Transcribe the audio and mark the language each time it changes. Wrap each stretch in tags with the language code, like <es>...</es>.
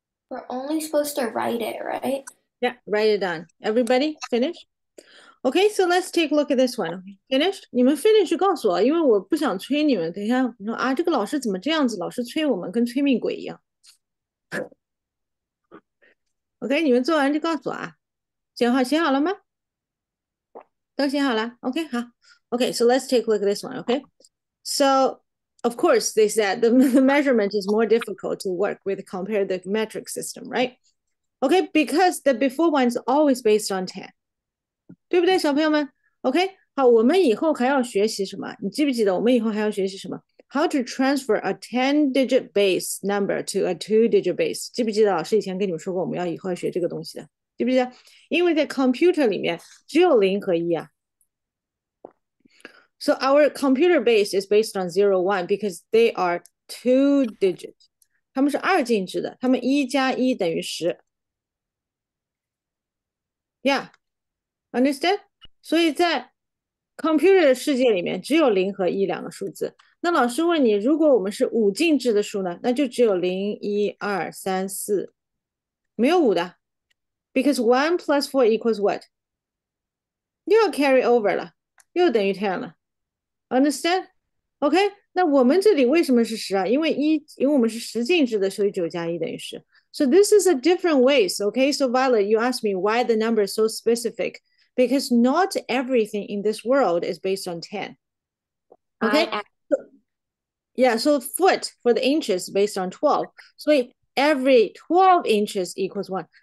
<en>We're only supposed to write it, right? Yeah, write it down. Everybody, finish? Okay, so let's take a look at this one. Finished?</en> <zh>你们finish就告诉我，因为我不想催你们。等一下，你说啊，这个老师怎么这样子，老是催我们，跟催命鬼一样。OK，你们做完就告诉我啊。写好，写好了吗？都写好了?</zh> <en>Okay, huh? Okay, so let's take a look at this one, okay? So, of course, they said the measurement is more difficult to work with compared to the metric system, right? Okay, because the before one is always based on 10.</en> <zh>对不对，小朋友们? Okay, 好，我们以后还要学习什么？你记不记得我们以后还要学习什么？</zh> <en>How to transfer a 10-digit base number to a 2-digit base.</en> <zh>记不记得老师以前跟你们说过我们要以后要学这个东西的？对不对？因为在 computer 里面只有零和一啊。</zh> <en>So our computer base is based on 0, 1 because they are 2-digit.</en> <zh>他们是二进制的，他们一加一等于十。</zh> <en>Yeah, understand?</en> <zh>所以在 computer 的世界里面只有零和一两个数字。那老师问你，如果我们是五进制的数呢？那就只有零、一、二、三、四，没有五的。</zh> <en>Because 1 plus 4 equals what?</en> <zh>又要 carry over 了,又等于 10 了。</zh> <en>Understand? OK?</en> <zh>那我们这里为什么是10啊?因为我们是10进制的,所以9加1等于10。</zh> <en>So this is a different way, OK? So Violet, you asked me why the number is so specific. Because not everything in this world is based on 10. OK? Yeah, so foot for the inches based on 12. So every 12 inches equals 1.</en>